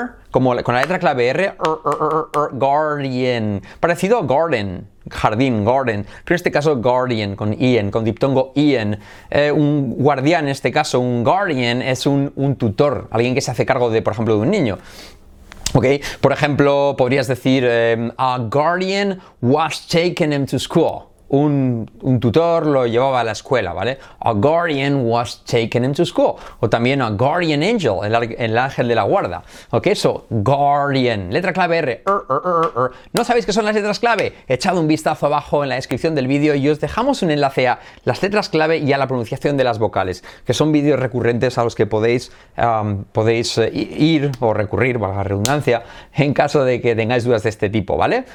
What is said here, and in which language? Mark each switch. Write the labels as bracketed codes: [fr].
[es] Como con la letra clave R, guardian, parecido a garden, jardín, garden, pero en este caso guardian, con ien, con diptongo ien. Un guardián, en este caso, un guardian, es un tutor, alguien que se hace cargo de, por ejemplo, de un niño. Okay. Por ejemplo, podrías decir, [en] a guardian was taking him to school. [es] Un tutor lo llevaba a la escuela, ¿vale? [en] A guardian was taken into school. [es] O también [en] a guardian angel, [es] el ángel de la guarda. ¿Ok? So, guardian. Letra clave R. ¿No sabéis qué son las letras clave? Echad un vistazo abajo en la descripción del vídeo y os dejamos un enlace a las letras clave y a la pronunciación de las vocales, que son vídeos recurrentes a los que podéis ir o recurrir, valga la redundancia, en caso de que tengáis dudas de este tipo, ¿vale?